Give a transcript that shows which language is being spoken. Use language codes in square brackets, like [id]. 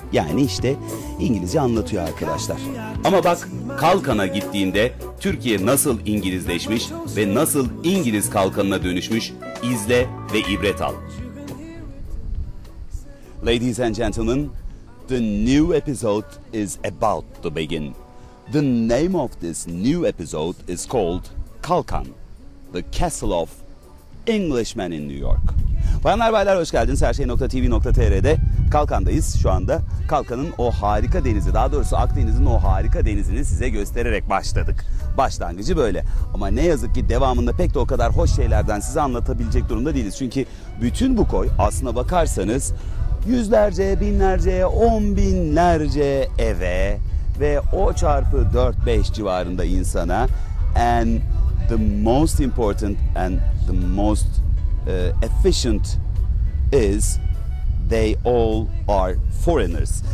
[tr] Yani işte İngilizce anlatıyor arkadaşlar. Ama bak, Kalkan'a gittiğinde Türkiye nasıl İngilizleşmiş ve nasıl İngiliz Kalkan'ına dönüşmüş, izle ve ibret al. [en] Ladies and gentlemen, the new episode is about to begin. The name of this new episode is called Kalkan, the castle of Englishmen in New York. [tr] Bayanlar baylar, hoş geldiniz. Herşey.tv.tr'de Kalkan'dayız. Şu anda Kalkan'ın o harika denizi, daha doğrusu Akdeniz'in o harika denizini size göstererek başladık. Başlangıcı böyle. Ama ne yazık ki devamında pek de o kadar hoş şeylerden size anlatabilecek durumda değiliz. Çünkü bütün bu koy, aslına bakarsanız yüzlerce, binlerce, on binlerce eve ve o çarpı 4-5 civarında insana [en] and the most important and the most efficient is they all are foreigners.